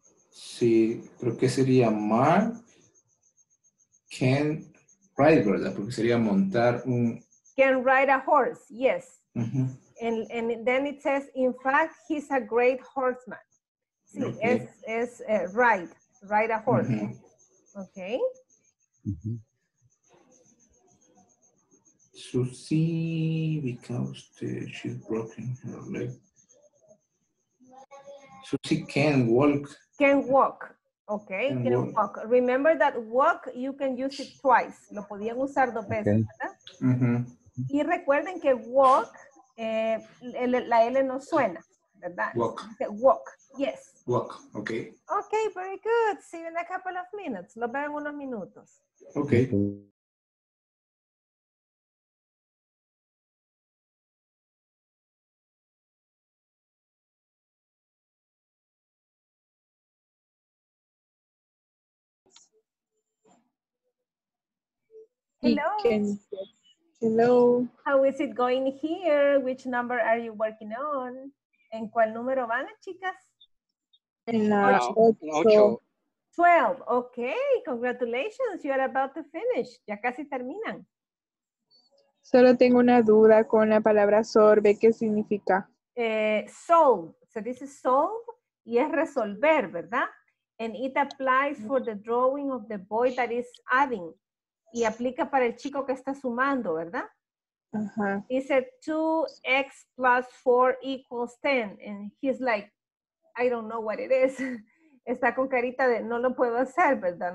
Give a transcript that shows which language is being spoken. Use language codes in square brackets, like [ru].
[es] Sí, creo que sería Mark [en] can ride, [es] ¿verdad? Porque sería montar un... [en] Can ride a horse, yes. Uh-huh. And then it says, in fact, he's a great horseman. Sí, okay. Es ride a horse. Uh-huh. Okay. Uh-huh. Susie, because she's broken her leg. Susie can walk. Can walk. Okay, can walk. Walk. Remember that walk, you can use it twice. [es] Lo podían usar dos veces, okay. ¿Verdad? Uh-huh. Y recuerden que walk, la L no suena, ¿verdad? [en] Walk. Walk, yes. Walk, okay. Okay, very good. See you in a couple of minutes. [es] Lo veo en unos minutos. [en] Okay. Hello. Hello. How is it going here? Which number are you working on? [es] ¿En cuál número van, chicas? En la 8. [en] 12. Okay. Congratulations. You are about to finish. [es] Ya casi terminan. Solo tengo una duda con la palabra sorbe. ¿Qué significa? [en] Solve. So this is solve. [es] Y es resolver, ¿verdad? [en] And it applies for the drawing of the boy that is adding. [es] Y aplica para el chico que está sumando, ¿verdad? Uh-huh. Dice 2x [en] plus 4 equals 10. And he's like, I don't know what it is. [es] Está con carita de no lo puedo hacer, ¿verdad?